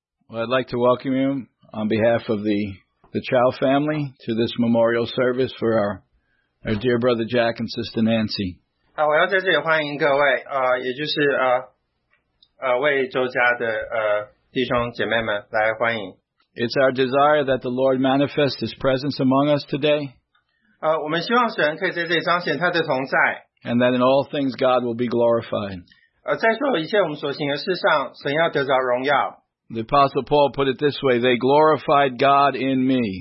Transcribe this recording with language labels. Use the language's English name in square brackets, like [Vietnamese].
[English] Well, I'd like to welcome you on behalf of the Chow family to this memorial service for our dear brother Jack and sister Nancy. [Chinese] 好，我要在这里欢迎各位，也就是为周家的弟兄姐妹们来欢迎。 [English] It's our desire that the Lord manifest His presence among us today. [Chinese] 我们希望神可以在这里彰显他的同在。 [English] And that in all things God will be glorified. [Chinese] 在所有一切我们所行的事上，神要得着荣耀。 [English] The Apostle Paul put it this way, they glorified God in me.